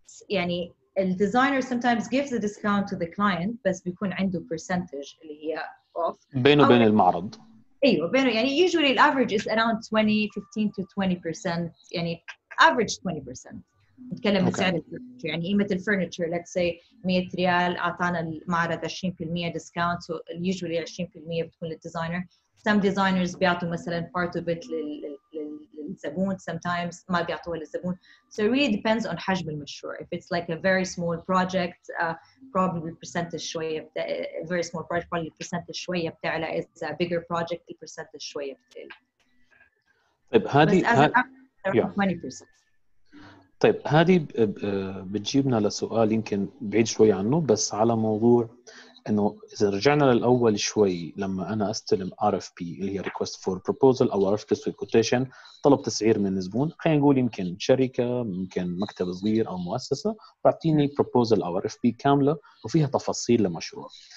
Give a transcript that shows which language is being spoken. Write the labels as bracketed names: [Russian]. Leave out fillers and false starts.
[English] يعني ال designer sometimes gives a discount to the client, [Arabic] بس بيكون عنده [English] percentage [Arabic] اللي هي بينه وبين المعرض. ايوه بينه, يعني [English] usually the average is around 15 to 20%, [Arabic] يعني average 20%, نتكلم عن سعر الفرنتشر, يعني قيمه الفرنتشر [English] let's say 100 [Arabic] ريال اعطانا المعرض [English] 20% discount, so usually 20% [Arabic] بتكون للديزاينر. [English] Some designers [Arabic] بيعطوا مثلا [English] part of it [Arabic] للزبون, [English] sometimes [Arabic] ما بيعطوها للزبون. [English] So it really depends on [Arabic] حجم المشروع. [English] If it's like a very small project, probably percentage شوية, a very small project probably percentage [Arabic] شوية بتعلى. [English] If it's a bigger project, the percentage [Arabic] شوية بتقل. طيب هادي [English] around 20%. [Arabic] طيب هادي بتجيبنا لسؤال يمكن بعيد شوية عنه, بس على موضوع انه اذا رجعنا للاول شوي, لما انا استلم RFP اللي هي [English] request for proposal [Arabic] او RFP for quotation, طلب تسعير من زبون, خلينا نقول يمكن شركه, ممكن مكتب صغير او مؤسسه, بعطيني proposal او RFP كامله وفيها تفاصيل لمشروع,